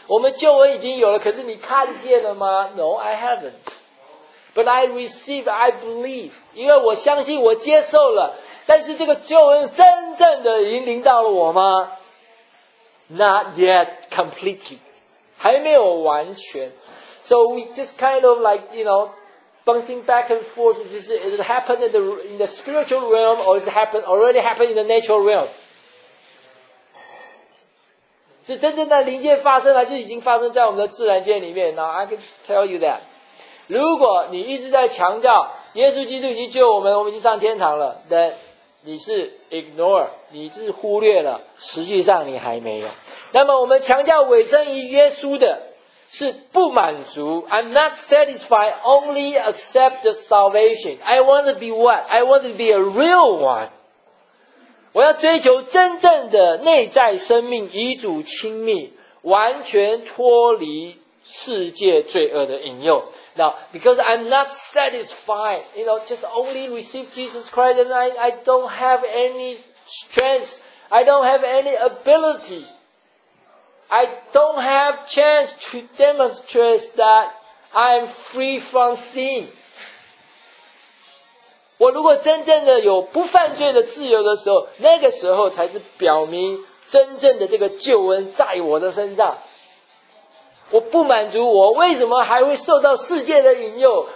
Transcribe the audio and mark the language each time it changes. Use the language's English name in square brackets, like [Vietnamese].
[Chinese] 我们救恩已经有了，可是你看见了吗？ [English] No, I haven't. But I receive, I believe. [Chinese] 因为我相信我接受了，但是这个救恩真正的已经临到了我吗？ [English] Not yet completely. [Chinese] 还没有完全。 [English] So we just kind of like, you know, bouncing back and forth. Is it happened in the spiritual realm or is it already happened in the natural realm? [Chinese] 是真正在灵界发生还是已经发生在我们的自然界里面？ [English] Now I can tell you that. [Chinese] 如果你一直在强调耶稣基督已经救我们，我们已经上天堂了， then 你是 ignore， 你是忽略了，实际上你还没有。那么我们强调委身于耶稣的是不满足， [English] I'm not satisfied only accept the salvation. I want to be what? I want to be a real one. [Chinese] 我要追求真正的内在生命，与主亲密，完全脱离世界罪恶的引诱。 [English] Now, because I'm not satisfied, you know, just only receive Jesus Christ and I don't have any strength, I don't have any ability, I don't have chance to demonstrate that I'm free from sin. [Chinese] 我如果真正的有不犯罪的自由的时候，那个时候才是表明真正的这个救恩在我的身上。我不满足，我为什么还会受到世界的引诱？